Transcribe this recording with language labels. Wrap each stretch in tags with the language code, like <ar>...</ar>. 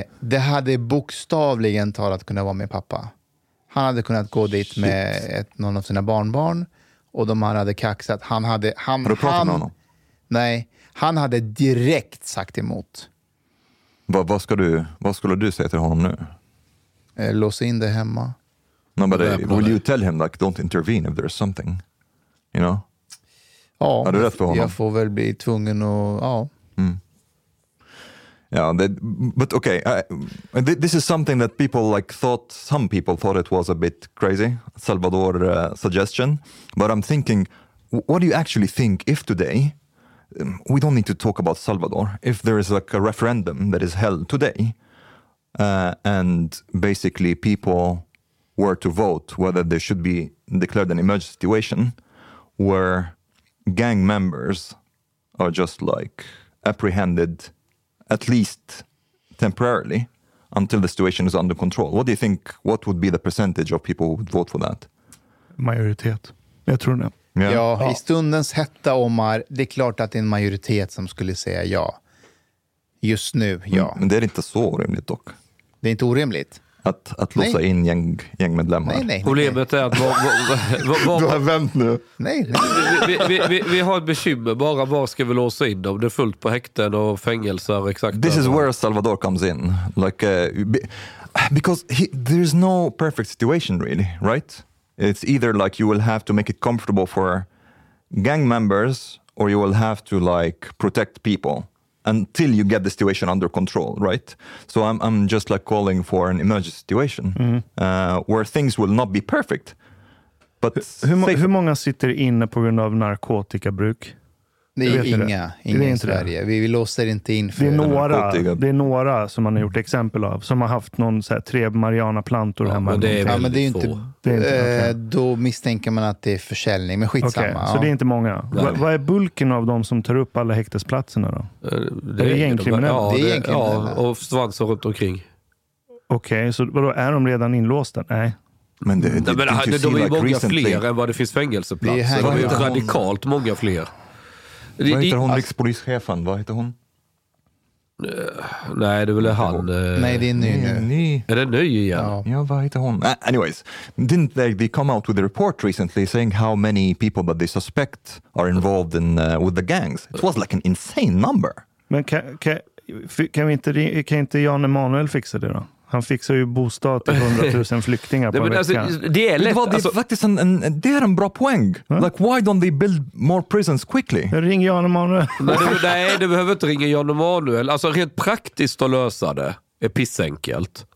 <sv>Det hade bokstavligen talat kunna vara med pappa. Han hade kunnat gå dit Shit. Med någon av sina barnbarn. Och de här hade kaxat. Har du pratat med honom? Nej, han hade direkt sagt emot. Vad skulle du säga till honom nu? Lås in det hemma.</sv> <en>No, but will you tell him like don't intervene if there's something, you know?</en> <sv>Ja, är du rätt för honom? Jag får väl bli tvungen att, ja.</sv> <en>Mm. Yeah, but okay. This is something that people like thought. Some people thought it was a bit crazy, Salvador suggestion. But I'm thinking, what do you actually think if today, we don't need to talk about Salvador. If there is like a referendum that is held today, and basically people were to vote whether there should be declared an emergency situation where gang members are just like apprehended at least temporarily until the situation is under control. What do you think, what would be the percentage of people who would vote for that?</en> <sv>Majoritet. Jag tror det.</sv> <en>Yeah.</en> <sv>Ja, i stundens hetta, Omar, det är klart att det är en majoritet som skulle säga ja. Just nu, ja. Men det är inte så orimligt dock. Det är inte orimligt. Att låsa in gängmedlemmar. Nej, nej. Problemet nej. Är att... du har vänt nu. Nej. Vi har ett bekymmer. Bara var ska vi låsa in dem? Det är fullt på häkten och fängelser. Exakt.</sv> <en>This is where Salvador comes in. Like, because there is no perfect situation really, right? It's either like you will have to make it comfortable for gang members or you will have to like protect people. Until you get the situation under control, right? So I'm just like calling for an emergency situation where things will not be perfect. But</en> <sv>hur många sitter inne på grund av narkotikabruk? Det är inga i Sverige. Vi låser inte in för narkotika. Det är några som man har gjort exempel av som har haft någon så här tre mariana plantor hemma. Men det är väldigt få. Då misstänker man att det är försäljning, men skitsamma.</sv> <en>Okay,</en> <sv>så det är inte många. Vad är bulken av dem som tar upp alla häktesplatserna då? Det är gängkriminella. Ja, det är gängkriminella. Ja, och svansar runt omkring. Okej, okay, så vadå, är de redan inlåsta? Nej. Men det är</sv> <en>like</en> <sv>många</sv> <en>recently.</en> <sv>Fler än vad det finns fängelseplatser. Det är ju radikalt många fler. Vad heter hon, rikspolischefen? Vad heter hon? Nej, det är väl han. Nej, det är ny. Är det ny igen? Ja. Ja, vad heter hon?</sv> <en>Anyways, didn't they come out with a report recently saying how many people that they suspect are involved in with the gangs? It was like an insane number.</en> <sv>Men kan vi inte Jan Emanuel fixa det då? Han fixar ju bostad till 100,000 flyktingar på veckan. Alltså, det är lätt. Det är faktiskt en bra poäng. Ja?</sv> <en>Like, why don't they build more prisons quickly?</en> <sv>Ring Jan Emanuel. Nej, du behöver inte ringa Jan Emanuel. Alltså, rent praktiskt att lösa det är pissenkelt.</sv>